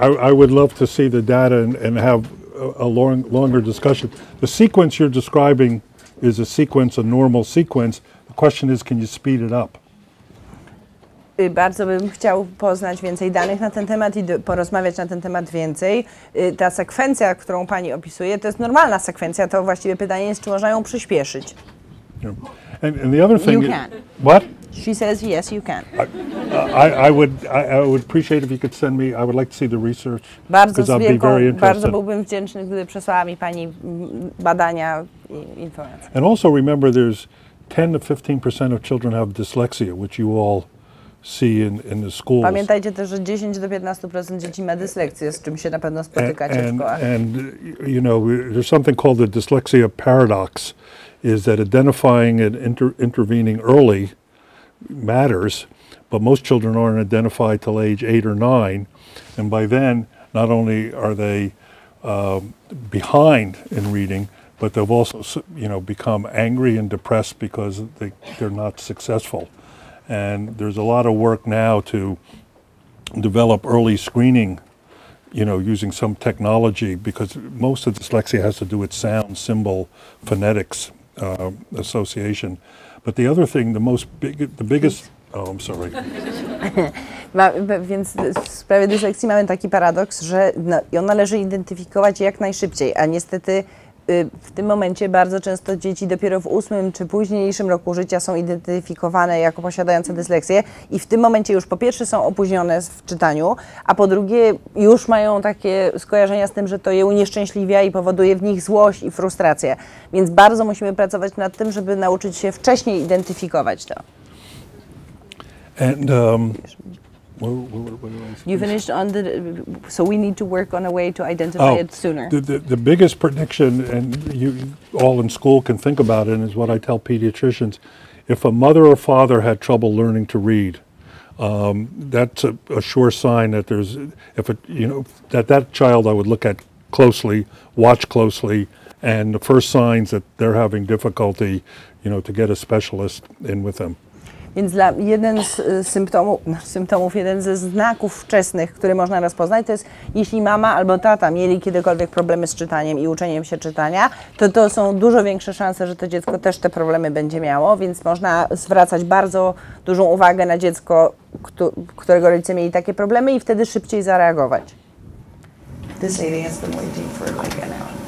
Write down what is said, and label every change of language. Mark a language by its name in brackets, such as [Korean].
[English] I would love to see the data and have a longer discussion. The sequence you're describing is a sequence, a normal sequence. The question is, can you speed it up? [Polish] Bardzo bym chciał poznać więcej danych na ten temat i porozmawiać na ten temat więcej. Ta sekwencja, którą pani opisuje, to jest normalna sekwencja. To właściwie pytanie jest, czy można ją przyspieszyć. [English] Yeah. And the other thing... You can. What? She says, yes, you can. I would appreciate if you could send me, I would like to see the research, because I'd be very interested. [Polish] Bardzo byłbym wdzięczny, gdyby przesłała mi pani badania i informacje. [English] And also remember, there's 10 to 15% of children have dyslexia, which you all see in the schools. [Polish] Pamiętajcie też, że 10-15% dzieci ma dyslekcję, z czym się na pewno spotykacie w szkołach. [English] And you know, there's something called the dyslexia paradox, is that identifying and intervening early matters, but most children aren't identified till age 8 or 9, and by then, not only are they behind in reading, but they've also, you know, become angry and depressed because they're not successful. And there's a lot of work now to develop early screening, you know, using some technology, because most of dyslexia has to do with sound, symbol, phonetics association. But the other thing, the biggest, oh, I'm sorry. [Polish] Więc w sprawie dyslekcji mamy taki paradoks, że ją należy identyfikować jak najszybciej, a niestety w tym momencie bardzo często dzieci dopiero w 8 czy późniejszym roku życia są identyfikowane jako posiadające dyslekcję i w tym momencie już po pierwsze są opóźnione w czytaniu, a po drugie już mają takie skojarzenia z tym, że to je unieszczęśliwia i powoduje w nich złość i frustrację. Więc bardzo musimy pracować nad tym, żeby nauczyć się wcześniej identyfikować to. [English] And you finished on the, so we need to work on a way to identify it sooner. The biggest prediction, and you all in school can think about it, is what I tell pediatricians. If a mother or father had trouble learning to read, that's a sure sign that there's, that child I would look at closely, watch closely, and the first signs that they're having difficulty, you know, to get a specialist in with them. [Polish] Więc jeden z symptomów, jeden ze znaków wczesnych, który można rozpoznać, to jest, jeśli mama albo tata mieli kiedykolwiek problemy z czytaniem i uczeniem się czytania, to są dużo większe szanse, że to dziecko też te problemy będzie miało, więc można zwracać bardzo dużą uwagę na dziecko, którego rodzice mieli takie problemy i wtedy szybciej zareagować. [English] This lady has been waiting for like an hour.